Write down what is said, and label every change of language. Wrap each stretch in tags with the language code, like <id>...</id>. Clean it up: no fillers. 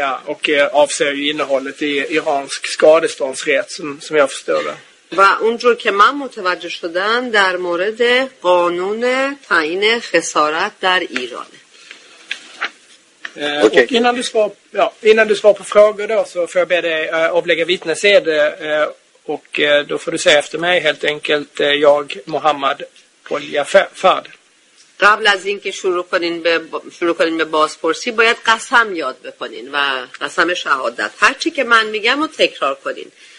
<sv>och avser ju innehållet i iransk skadeståndsrätt som jag förstår det.</sv> <fa>و اونجور که من متوجه شدم در مورد قانون تعیین خسارت در ایران.</fa> <en>Okay.</en> <sv>Och innan du svarar på frågor då så får jag be dig avlägga vittnesed och då får du säga efter mig helt enkelt jag Mohammad Oljafard.</sv> <fa>قبل از اینکه شروع کنین به بازپرسی باید قسم یاد بکنین و قسم شهادت هر چی که من میگم رو تکرار کنین.</fa>